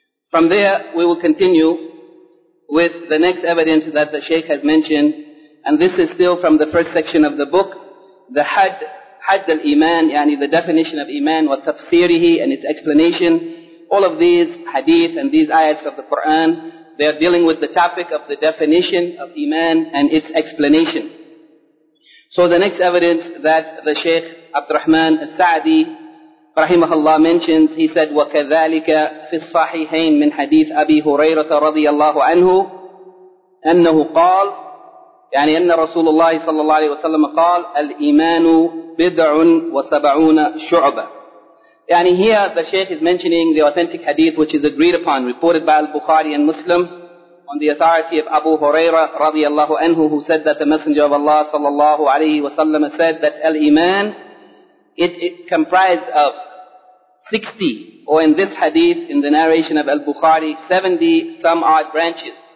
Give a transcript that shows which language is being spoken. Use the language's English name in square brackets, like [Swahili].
[English] From there, we will continue with the next evidence that the Shaykh has mentioned, and this is still from the first section of the book, the Hadd al-Iman, yani the definition of Iman, wa tafsirihi, and its explanation. All of these hadith and these ayats of the Quran, they are dealing with the topic of the definition of Iman and its explanation. So the next evidence that the Shaykh Abdurrahman al-Sa'adi rahimahullah mentions, he said, [Arabic] وَكَذَلِكَ فِي الصَّحِيحَيْنِ مِنْ حَدِيثِ أَبِي هُرَيْرَةَ رَضِيَ اللَّهُ عَنْهُ أَنَّهُ قَالَ يعني أن رسول الله صلى الله عليه وسلم قال الإيمان بدع وسبعون شعبة. [English] And here the Shaykh is mentioning the authentic hadith which is agreed upon, reported by Al-Bukhari and Muslim, on the authority of Abu Hurairah radiallahu anhu, who said that the Messenger of Allah sallallahu alayhi wa sallam said that Al-Iman, it comprised of 60, or in this hadith, in the narration of Al-Bukhari, 70 some odd branches.